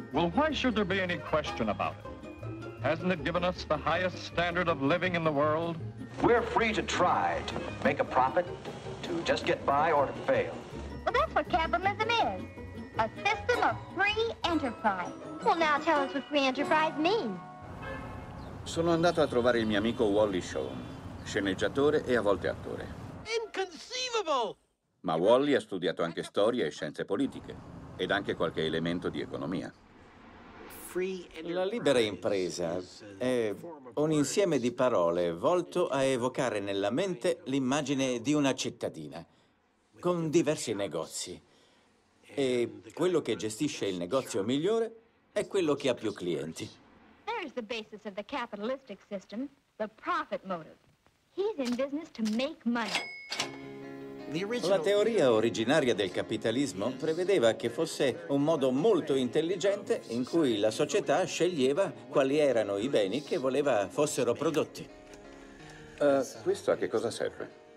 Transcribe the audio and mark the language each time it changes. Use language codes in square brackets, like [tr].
[en] Well, why should there be any question about it? Hasn't it given us the highest standard of living in the world? We're free to try to make a profit, to just get by or to fail. Well, that's what capitalism is, a system of free enterprise. Well, now tell us what free enterprise means. [it] Sono andato a trovare il mio amico Wally Shawn, sceneggiatore e a volte attore. [en] Inconceivable! [it] Ma Wally ha studiato anche storia e scienze politiche, ed anche qualche elemento di economia. La libera impresa è un insieme di parole volto a evocare nella mente l'immagine di una cittadina, con diversi negozi. E quello che gestisce il negozio migliore è quello che ha più clienti. [en] There's the basis of the capitalistic system, the profit motive. He's in business to make money. [it] La teoria originaria del capitalismo prevedeva che fosse un modo molto intelligente in cui la società sceglieva quali erano i beni che voleva fossero prodotti. Questo a che cosa serve?